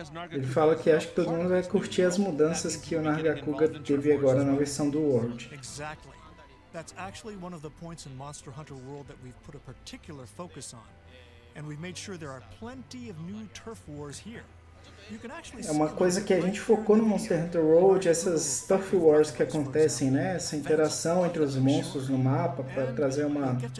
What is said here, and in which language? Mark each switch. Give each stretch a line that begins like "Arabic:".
Portuguese: Ele fala que acho que todo mundo vai curtir as mudanças que o Nargacuga teve agora na versão do World.
English: Exactly. That's actually one of the points in Monster Hunter World that we've put a particular focus on. And we've made sure there are plenty of new turf wars here.
Portuguese: É uma coisa que a gente focou no Monster Hunter World, essas turf wars que acontecem, né? Essa interação entre os monstros no mapa para trazer uma...